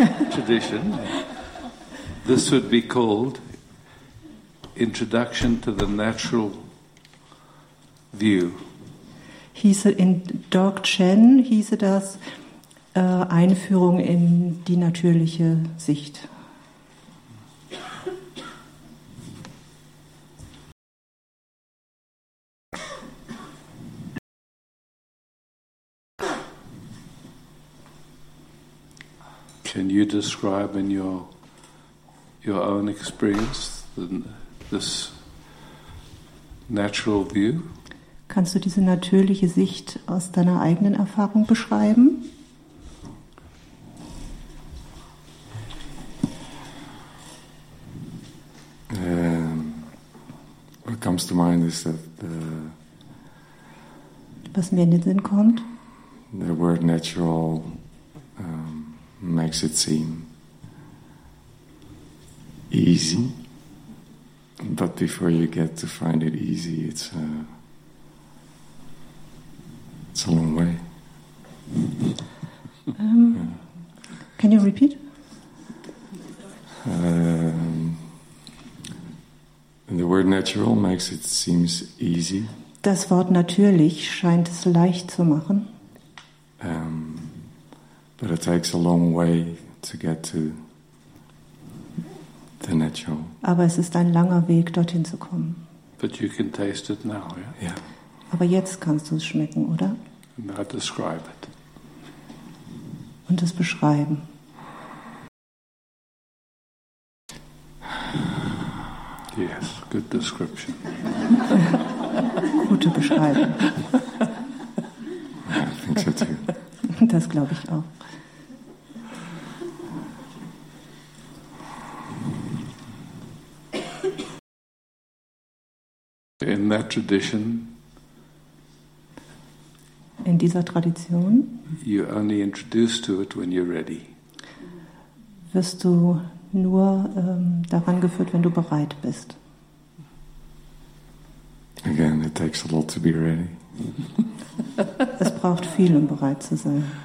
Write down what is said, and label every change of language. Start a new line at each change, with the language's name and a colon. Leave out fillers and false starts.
English: tradition, this would be called Introduction to the Natural View.
German: In Dzogchen hieße das Einführung in die natürliche Sicht.
English: Can you describe in your own experience this natural view?
German: Kannst du diese natürliche Sicht aus deiner eigenen Erfahrung beschreiben?
English: What comes to mind is that
German: was mir in den Sinn kommt?
English: The word natural makes it seem easy, but before you get to find it easy, it's a long way. Yeah. Can you repeat? The word natural makes it seem easy.
German: Das Wort natürlich scheint es leicht zu machen.
English: But it takes a long way to get to the natural.
German: Aber es ist ein langer Weg, dorthin zu kommen.
English: But you can taste it now, yeah? Yeah.
German: Aber jetzt kannst du es schmecken, oder?
English: Now describe it.
German: Und es beschreiben.
English: Yes, good description.
German: Gute Beschreibung.
English: Yeah, I think so too.
German: Das glaube ich auch.
English: In that tradition,
German: in dieser Tradition,
English: you only introduce to it when you're ready.
German: Wirst du nur daran geführt, wenn du bereit bist.
English: Again, it takes a lot to be ready.
German: Es braucht viel, um bereit zu sein.